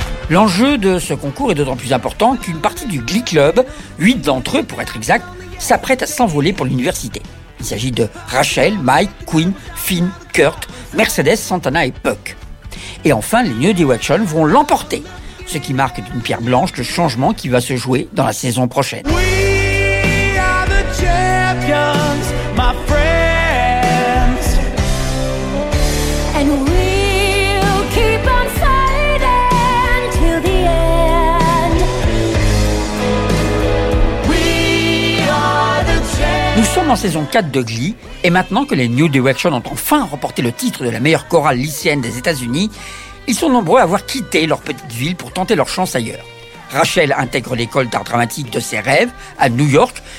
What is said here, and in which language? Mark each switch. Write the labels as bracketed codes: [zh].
[fr] L'enjeu de ce concours est d'autant plus important qu'une partie du Glee Club, 8 d'entre eux pour être exact, s'apprête à s'envoler pour l'université. Il s'agit de Rachel, Mike, Quinn, Finn, Kurt, Mercedes, Santana et Puck. Et enfin, les New Directions vont l'emporter, ce qui marque d'une pierre blanche le changement qui va se jouer dans la saison prochaine. [en] We are the champions, my friends. And we'll keep on fighting till the end. We are the champions. [fr] Nous sommes en saison 4 de Glee. Et maintenant que les New Directions ont enfin remporté le titre de la meilleure chorale lycéenne des États-Unis, ils sont nombreux à avoir quitté leur petite ville pour tenter leur chance ailleurs. Rachel intègre l'école d'art dramatique de ses rêves à New York.